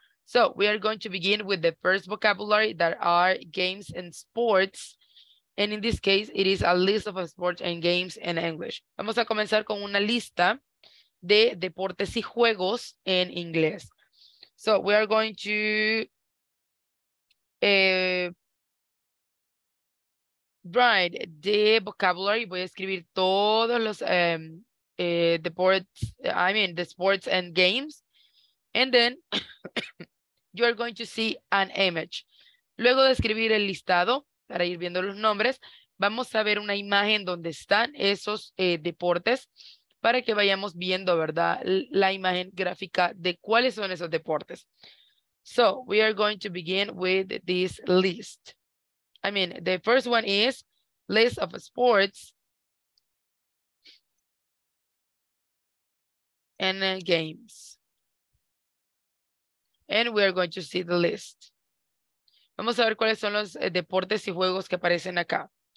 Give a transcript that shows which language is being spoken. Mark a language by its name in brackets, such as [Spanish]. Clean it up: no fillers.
[English] So, we are going to begin with the first vocabulary that are games and sports. And in this case, it is a list of sports and games in English. [Spanish] Vamos a comenzar con una lista de deportes y juegos en inglés. [English] So, we are going to... write the vocabulary. [Spanish] Voy a escribir todos los... [English] the sports and games, and then you are going to see an image. [Spanish] Luego de escribir el listado, para ir viendo los nombres, vamos a ver una imagen donde están esos deportes para que vayamos viendo, ¿verdad?, la imagen gráfica de cuáles son esos deportes. [English] So, we are going to begin with this list. I mean, the first one is list of sports and games. And we are going to see the list. [Spanish] Vamos a ver cuáles son los deportes y juegos que aparecen acá.